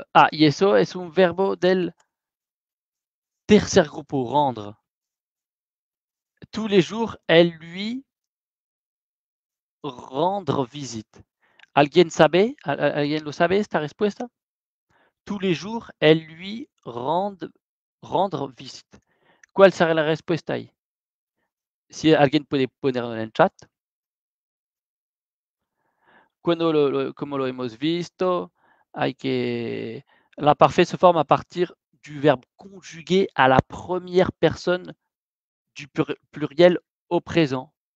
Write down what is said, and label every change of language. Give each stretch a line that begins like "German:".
Spanish: Y eso es un verbo del tercer grupo, rendre.
French: Tous les jours, elle lui rendre visite.
Spanish: ¿Alguien sabe? ¿Alguien lo sabe esta respuesta?
French: Tous les jours, elle lui rendre visite.
Spanish: ¿Cuál será la respuesta ahí? Si alguien puede poner en el chat. Cuando como lo hemos visto,
French: l'imparfait se forme à partir du verbe conjugué à la première personne du pluriel au présent.